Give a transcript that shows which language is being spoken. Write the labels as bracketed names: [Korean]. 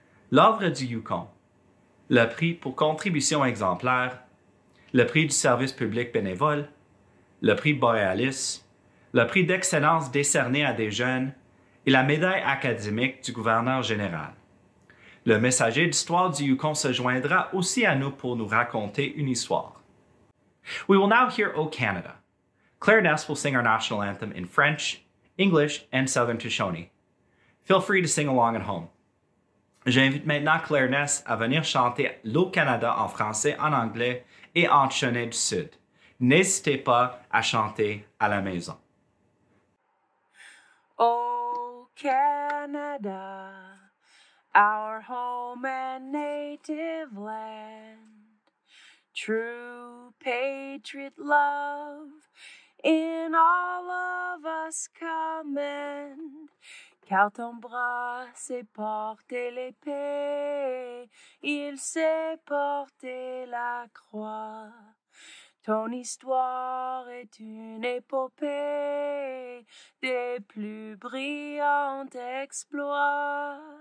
[French] L'ordre du Yukon, le prix pour contribution exemplaire, le prix du service public bénévole, le prix Borealis, le prix d'excellence décerné à des jeunes et la médaille académique du gouverneur général. Le messager d'histoire du Yukon se joindra aussi à nous pour nous raconter une histoire. [English] We will now hear O Canada. Claire Ness will sing our national anthem in French, English, and Southern Shoshone. Feel free to sing along at home. [French] J'invite maintenant Claire Ness à venir chanter l'O Canada en français, en anglais et en Shoshone du Sud. N'hésitez pas à chanter à la maison. [English] O Canada, our home and native land, true patriot love in all of us commend. [French] Car ton bras sait porter l'épée, il sait porter la croix. Ton histoire est une épopée des plus brillants exploits.